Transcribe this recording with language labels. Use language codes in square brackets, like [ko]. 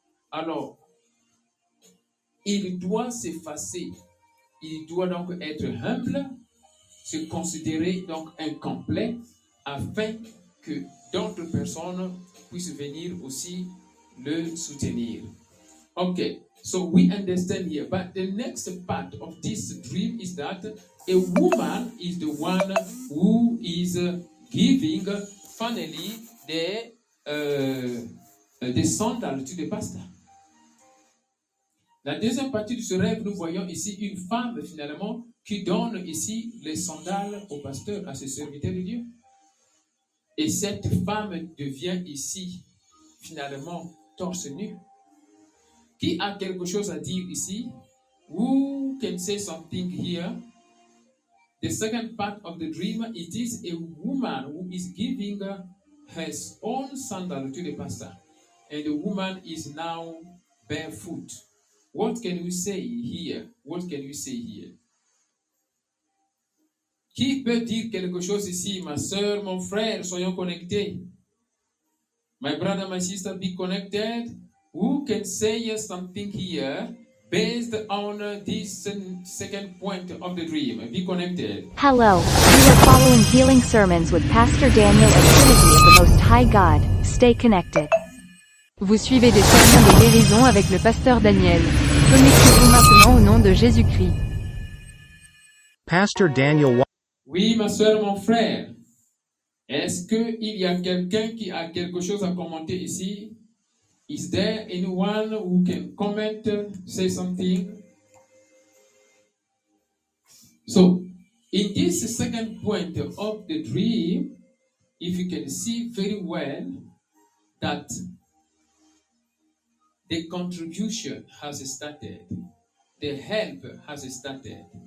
[fr] Alors, il doit s'effacer, il doit donc être humble, se considérer donc incomplet, afin que d'autres personnes puissent venir aussi le soutenir. [en] Ok, so we understand here, but the next part of this dream is that a woman is the one who is giving, finally, the sandal to the pastor. [fr] La deuxième partie de ce rêve, nous voyons ici une femme, finalement, qui donne ici les sandales au pasteur, à ses serviteurs de Dieu. Et cette femme devient ici, finalement, torse nu. Qui a quelque chose à dire ici? [en] Who can say something here? The second part of the dream, it is a woman who is giving her own sandal to the pastor. And the woman is now barefoot. What can we say here? What can we say here? [fr] Qui peut dire quelque chose ici? Ma soeur, mon frère, soyons connectés. [en] My brother, my sister, be connected. Who can say something here based on this second point of the dream? Be connected. Hello. We are following healing sermons with Pastor Daniel and Trinity of the Most High God. Stay connected. [fr] Vous suivez des sermons de guérison avec le pasteur Daniel. Connectez-vous maintenant au nom de Jésus-Christ. Pasteur Daniel. Oui, ma soeur, mon frère. Est-ce qu'il y a quelqu'un qui a quelque chose à commenter ici? [en] Is there anyone who can comment, say something? So, in this second point of the dream, if you can see very well that the contribution has started, the help has started.